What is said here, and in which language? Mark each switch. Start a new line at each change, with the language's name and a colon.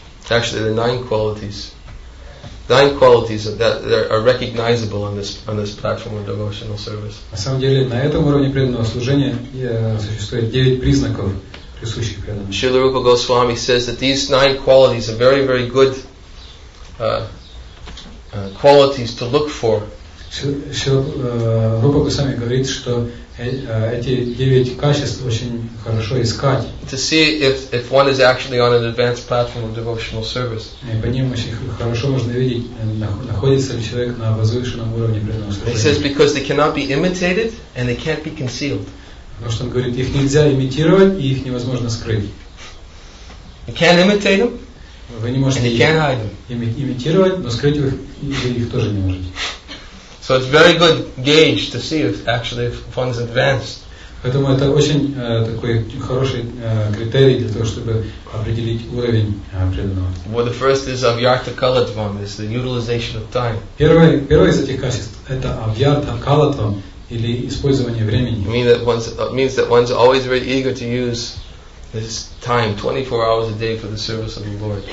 English: Actually, the nine qualities that are recognizable on this platform of devotional service.
Russian: На самом деле, на этом уровне преданного служения существует 9 признаков, присущих преданному.
English: Srila Rupa Goswami says that these 9 qualities are very, very good qualities to look for.
Russian: Rupa Goswami говорит, что эти 9 качеств очень хорошо искать.
English: To see if one is actually on an advanced platform of devotional service.
Russian: И по ним очень хорошо можно видеть, находится ли человек на возвышенном уровне преданного служения.
English: He says because they cannot be imitated and they can't be concealed.
Russian: Потому что он говорит, их нельзя имитировать и их невозможно скрыть.
English: You can't imitate them.
Russian: Вы не можете имитировать, но скрыть их тоже не можете.
English: So it's very good gauge to see if one is advanced.
Russian: Поэтому это очень такой хороший критерий для того, чтобы определить уровень преданного.
English: Well, the first is avyartha kalatvam, is the utilization of time.
Russian: Первое из этих качеств это avyartha kalatvam, или использование времени.
English: Means that one's always very eager to use this time, 24 hours a day for the service of the Lord.